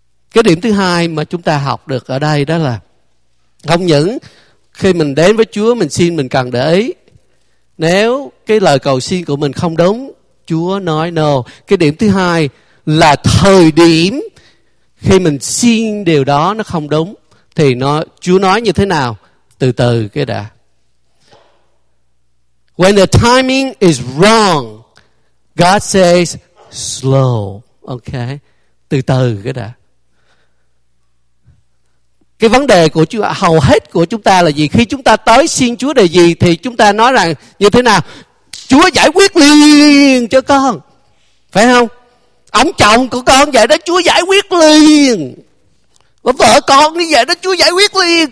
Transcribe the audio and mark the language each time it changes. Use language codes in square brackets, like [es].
[vi] Cái điểm thứ hai mà chúng ta học được ở đây đó là không những khi mình đến với Chúa mình xin, mình cần để ý nếu cái lời cầu xin của mình không đúng, Chúa nói no. Cái điểm thứ hai là thời điểm khi mình xin điều đó nó không đúng thì nó, Chúa nói như thế nào? Từ từ cái đã. [en] When the timing is wrong, God says slow. [vi] Okay. Từ từ cái đã. Cái vấn đề của Chúa, hầu hết của chúng ta là gì? Khi chúng ta tới xin Chúa điều gì thì chúng ta nói rằng như thế nào? Chúa giải quyết liền cho con. Phải không? Ông chồng của con vậy đó, Chúa giải quyết liền. Vợ con như vậy đó, Chúa giải quyết liền.